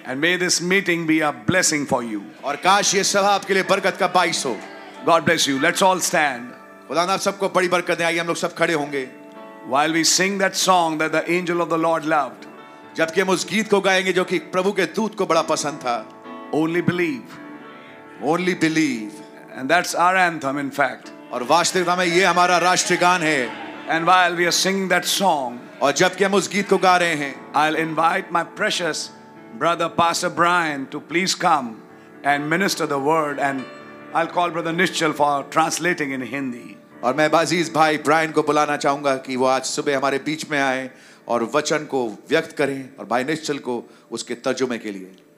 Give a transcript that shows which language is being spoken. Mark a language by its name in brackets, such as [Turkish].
[English] And may this meeting be a blessing for you. [Hindi] और काश ये सभा आपके लिए बरकत का बाइस हो. [English] God bless you. Let's all stand. [Hindi] खुदा ने आप सबको बड़ी बरकत दें. आइए हम लोग सब खड़े होंगे. [English] While we sing that song that the angel of the Lord loved. [Hindi] जबकि हम उस गीत को गाएंगे जो कि प्रभु के दूत को बड़ा पसंद था. [English] Only believe. Only believe. And that's our anthem, in fact. [Hindi] और वास्तविकता में ये हमारा राष्ट्रीय गान है. [English] And while we are singing that song, [Hindi] और जबकि हम उस गीत को गा रहे हैं, [English] I'll invite my precious brother Pastor Brian to please come and minister the word, and I'll call Brother Nishchal for translating in Hindi. [Hindi] और मैं अजीज भाई ब्रायन को बुलाना चाहूंगा कि वो आज सुबह हमारे बीच में आए और वचन को व्यक्त करें और भाई निश्चल को उसके तर्जुमे के लिए.